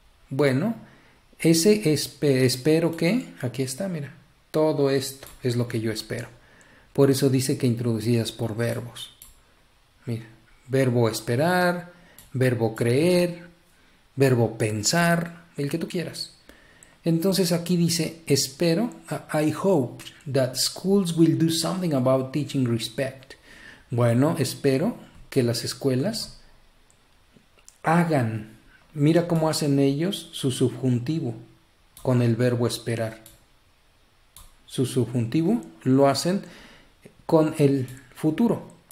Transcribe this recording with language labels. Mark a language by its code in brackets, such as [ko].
[es] Bueno, ese espero que, aquí está, mira, todo esto es lo que yo espero. Por eso dice que introducidas por verbos. Mira. Verbo esperar, verbo creer, verbo pensar, el que tú quieras. Entonces aquí dice, espero, [en] I hope that schools will do something about teaching respect. [es] Bueno, espero que las escuelas hagan, mira cómo hacen ellos su subjuntivo con el verbo esperar. Su subjuntivo lo hacen con el futuro.